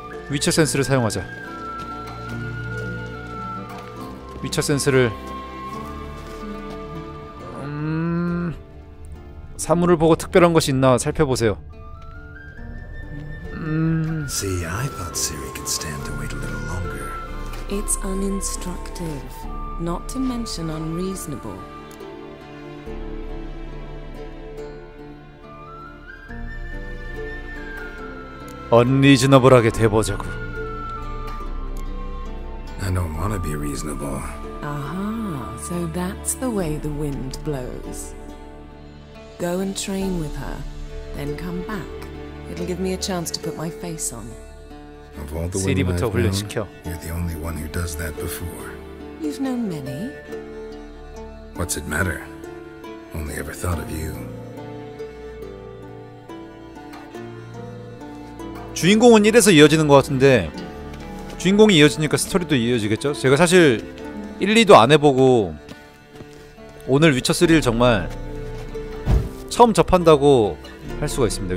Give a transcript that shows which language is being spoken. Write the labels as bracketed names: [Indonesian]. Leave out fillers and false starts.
[Korean] 위쳐 센스를 사용하자. 위쳐 센스를 사물을 보고 특별한 것이 있나 살펴보세요. [English] See, I thought Siri could stand to wait a little longer. It's uninstructive. Not to mention unreasonable. [Korean] 언리즈너블하게 돼보자고. [English] I don't want to be reasonable. Aha, so that's the way the wind blows. Go and train with her, then come back. It'll give me a chance to put my face on. Of all the women I've known, you're the only one who does that before. You've known many. What's it matter? Only ever thought of you. [Korean] 주인공은 1에서 이어지는 것 같은데 주인공이 이어지니까 스토리도 이어지겠죠? 제가 사실 1, 2도 안 해보고 오늘 위쳐 3를 정말 처음 접한다고 할 수가 있습니다.